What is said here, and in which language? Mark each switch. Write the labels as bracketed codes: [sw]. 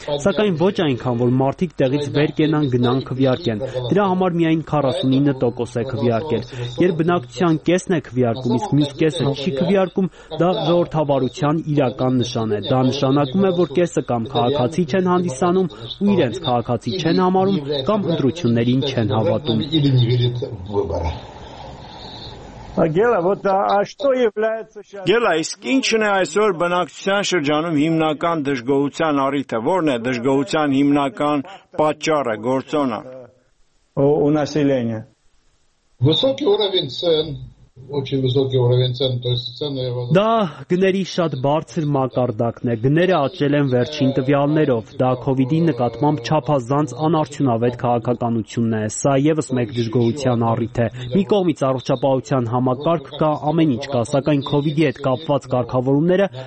[hy] սակայն ոչ այնքան, որ մարդիկ տեղից վեր կենան, գնան քվյարկեն, դրա համար միայն 49% է քվյարկել, երբ բնակչության կեսն է քվյարկում, իսկ մյուս կեսը չի քվյարկում, դա ժողովրդավարության իրական նշան է։ Դա նշանակում է, որ կեսը կամ քաղաքացի չեն հանդիսանում, ու իրենց քաղաքացի չեն համարում, կամ ընտրություններին չեն հավատում։ Գելա, իսկ ինչն է այսօր բնակչության շրջանում հիմնական դժգոհության առիթը, որն է դժգոհության հիմնական պատճառը, գործոնը։ [ru] У населения высокий уровень цен, очень высокий уровень цен, то есть цены [hy] Да, գների շատ բարձր մակարդակն է, գները աճել են վերջին տվյալներով, դա COVID-ի նկատմամբ չափազանց անարդյունավետ քաղաքականությունն է, սա եւս մեկ դժգոհության առիթ է։ Մի կողմից առողջապահության համակարգ կա, ամեն ինչ կա, սակայն COVID-ի հետ կապված կարգավորումները